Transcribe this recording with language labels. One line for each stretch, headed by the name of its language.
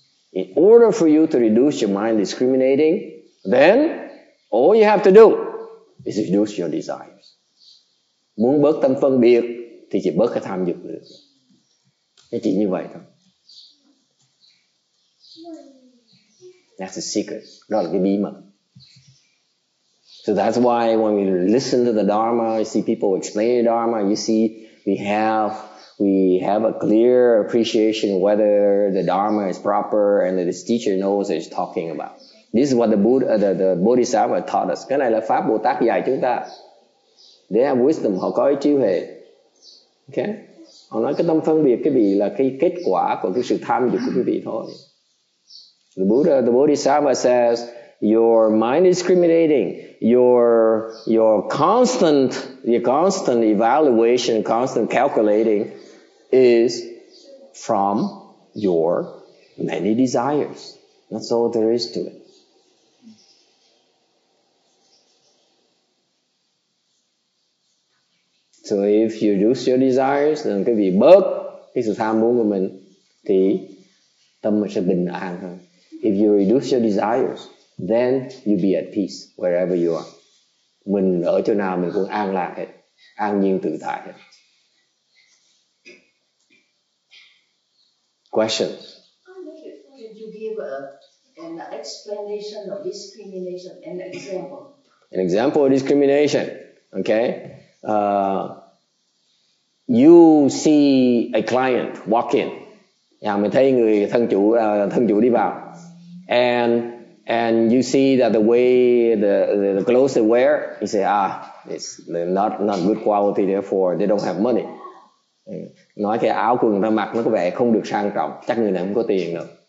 English: In order for you to reduce your mind discriminating, then all you have to do is reduce your desires.
Vietnamese: Muốn bớt tâm phân biệt thì chỉ bớt cái tham dục được. Thế chỉ như vậy thôi.
English: That's the secret.
Vietnamese: Đó là cái bí mật.
English: So that's why when we listen to the Dharma, you see people explain the Dharma, you see we have a clear appreciation whether the Dharma is proper and this teacher knows what he's talking about. This is what the Bodhisattva taught us.
Vietnamese: Cái này là Pháp Bồ Tát dạy chúng ta.
English: They have wisdom,
Vietnamese: họ có ý trí huệ. Okay? Họ nói cái tâm phân biệt cái vị là cái kết quả của cái sự tham dục của quý vị thôi.
English: The Bodhisattva says, your mind is discriminating. Your constant evaluation, constant calculating is from your many desires. That's all there is to it. So if you reduce your desires, then
Vietnamese: cái vị bớt cái sự tham muốn của mình thì tâm mình sẽ bình an hơn.
English: If you reduce your desires, then you be at peace wherever you are.
Vietnamese: Mình ở chỗ nào mình cũng an lạc hết, an nhiên tự tại hết.
English: Questions? Could you give an explanation of discrimination, an example? An example of discrimination, okay? You see a client walk in.
Vietnamese: Yeah, mình thấy người thân chủ đi vào.
English: And you see that the way the clothes they wear, you say, ah, it's not good quality, therefore they don't have money.
Vietnamese: Nói cái áo quần ta mặc nó có vẻ không được sang trọng, chắc người này không có tiền đâu.